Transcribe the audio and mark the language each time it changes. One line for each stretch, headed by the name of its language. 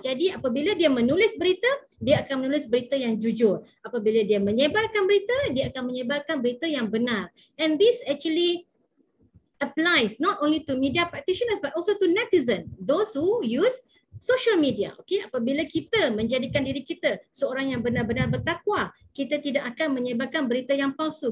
Indonesian: Jadi apabila dia menulis berita, dia akan menulis berita yang jujur. Apabila dia menyebarkan berita, dia akan menyebarkan berita yang benar.
English: And this actually applies not only to media practitioners but also to netizen, those who use social media.
Indonesian: Okay, apabila kita menjadikan diri kita seorang yang benar-benar bertakwa, kita tidak akan menyebarkan berita yang palsu.